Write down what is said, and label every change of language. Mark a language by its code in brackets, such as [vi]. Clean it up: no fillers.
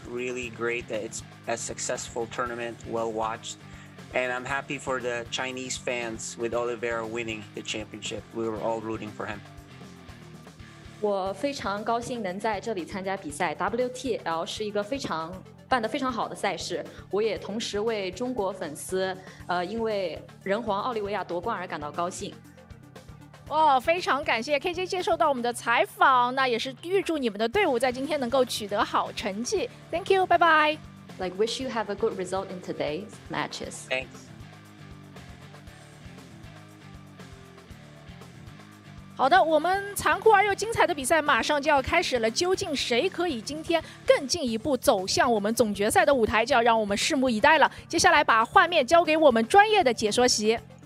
[en] Really great that it's a successful tournament, well watched. And I'm happy for the Chinese fans with Oliveira winning the championship. We were all rooting for him. [zh] 我非常高兴能在这里参加比赛。WTL 是一个非常办得非常好的赛事。我也同时为中国粉丝，因为人皇奥利维亚夺冠而感到高兴。哦，非常感谢 KJ 接受到我们的采访，那也是预祝你们的队伍在今天能够取得好成绩。 [en] Thank you, [zh] 拜拜。 [en] Like, wish you have a good result in today's matches. Thanks. [zh] 好的，我们残酷而又精彩的比赛马上就要开始了，究竟谁可以今天更进一步走向我们总决赛的舞台，就要让我们拭目以待了。接下来把画面交给我们专业的解说席。